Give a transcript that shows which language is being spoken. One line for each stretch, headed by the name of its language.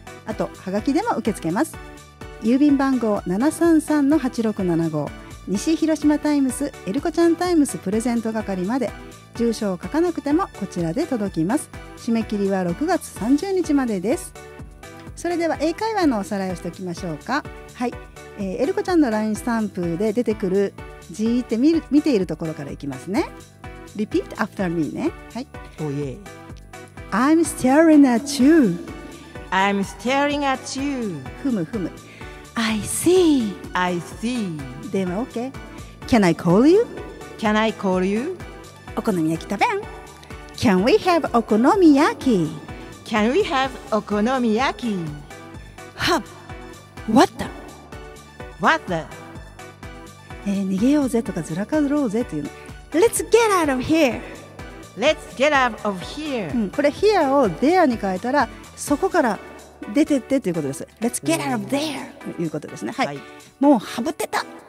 Japanese: あとはがきでも受け付けます。郵便番号 733-8675 西広島タイムスエルコちゃんタイムスプレゼント係まで、住所を書かなくてもこちらで届きます。締め切りは6月30日までです。それでは英会話のおさらいをしておきましょうか。はい、エルコちゃんの LINE スタンプで出てくるじーって見ているところからいきますね。
English: Repeat after me
Japanese: ね、はい、
English: Oh yeah. I'm staring at you. I'm staring at you. ふむふむ。I see. I see.
Japanese: でも
English: OK. Can I call you? Can I call you?
Japanese: お好み焼き食べん。
English: Can we have okonomiyaki? Can we have okonomiyaki? は、What the? What the?
Japanese: 逃げようぜとかずらかろうぜっていうの。
English: Let's get out of here. Let's get out of here、
Japanese: うん、これ here を there に変えたらそこから出てってということです。
English: Let's get out of there
Japanese: ということですね、はいはい、もうはぶってた。